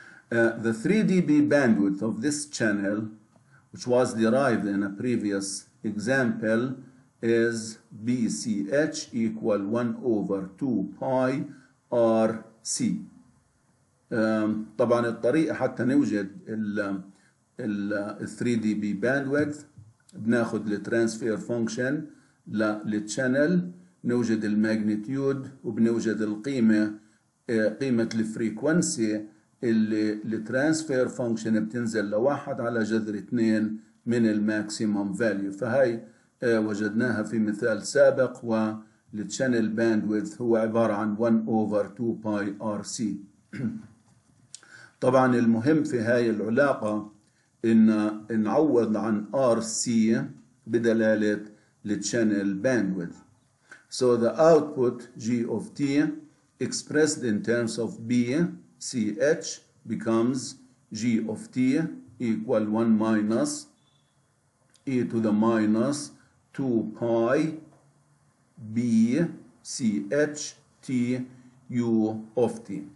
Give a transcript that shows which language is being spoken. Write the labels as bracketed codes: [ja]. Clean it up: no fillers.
[en] The 3 dB bandwidth of this channel, which was derived in a previous example, is BCH equal 1 over 2 pi RC. [ar] طبعا الطريقة حتى نوجد الـ 3 dB bandwidth بناخد الترانسفير فونكشن للشانل، نوجد الماجنتيود وبنوجد القيمة، قيمة الفريكونسي اللي الترانسفير فونكشن بتنزل لواحد على جذر 2 من الماكسيموم فاليو. فهي وجدناها في مثال سابق، والشانل باندويث هو عبارة عن 1 over 2 pi RC. طبعا المهم في هاي العلاقة ان نعوض عن RC بدلالة للشانل باندويث. [en] So the output G of T expressed in terms of BCH becomes G of T equal 1 minus e to the minus 2 pi BCH T U of T.